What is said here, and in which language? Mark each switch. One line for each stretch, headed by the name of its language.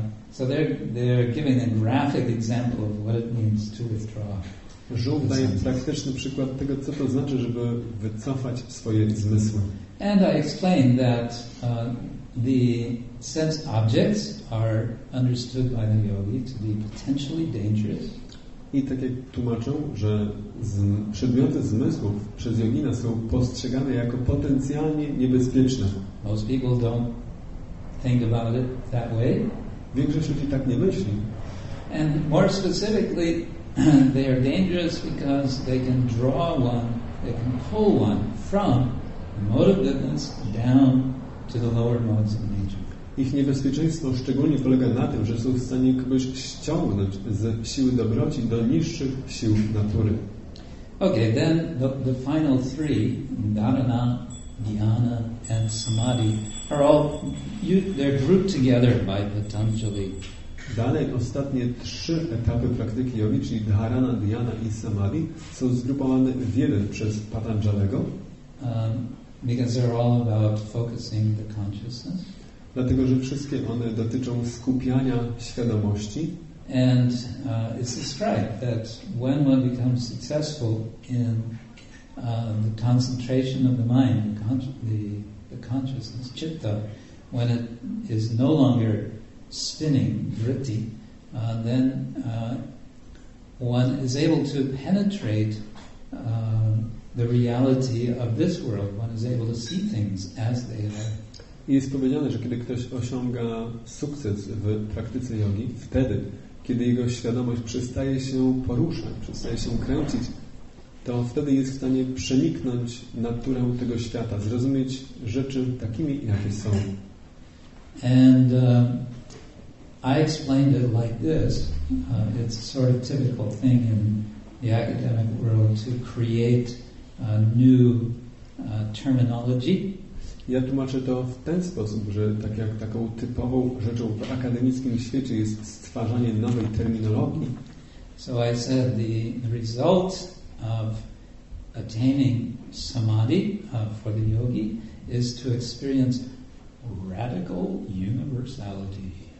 English: So they're giving a graphic example of what it means to withdraw.
Polish: Żółw daje praktyczny przykład tego, co to znaczy, żeby wycofać swoje zmysły.
English: And I explained that the sense objects are understood by the yogi to be potentially dangerous.
Polish: I tak jak tłumaczą, że przedmioty zmysłów przez jogina są postrzegane jako potencjalnie niebezpieczne.
English: Most people don't think about it that way.
Polish: Większość ludzi tak nie myśli.
English: And more specifically, they are dangerous because they can draw one, they can pull one from the mode of goodness down to the lower modes of nature.
Polish: Ich niebezpieczeństwo szczególnie polega na tym, że są w stanie kogoś ściągnąć z siły dobroci do niższych sił natury.
English: Okay, then the final three, dharana, dhyana and samadhi, are all, they're grouped together by Patanjali.
Polish: Dalej, ostatnie trzy etapy praktyki jogi, czyli dharana, dhyana i samadhi, są zgrupowane w jeden przez Patanjalego.
English: Because they're all about focusing the consciousness.
Polish: Dlatego, że wszystkie one dotyczą skupiania świadomości.
English: And it's described that when one becomes successful in the concentration of the mind, the consciousness, citta, when it is no longer spinning, vritti, then one is able to penetrate the reality of this world. One is able to see things as they are.
Polish: I jest powiedziane, że kiedy ktoś osiąga sukces w praktyce jogi, wtedy, kiedy jego świadomość przestaje się poruszać, przestaje się kręcić, to wtedy jest w stanie przeniknąć naturę tego świata, zrozumieć rzeczy takimi, jakie są.
English: And I explained it like this. It's a sort of typical thing in the academic world to create a new terminology.
Polish: Ja tłumaczę to w ten sposób, że tak jak taką typową rzeczą w akademickim świecie jest stwarzanie nowej terminologii.
English: So I said the result of attaining samadhi for the yogi is to experience radical universality.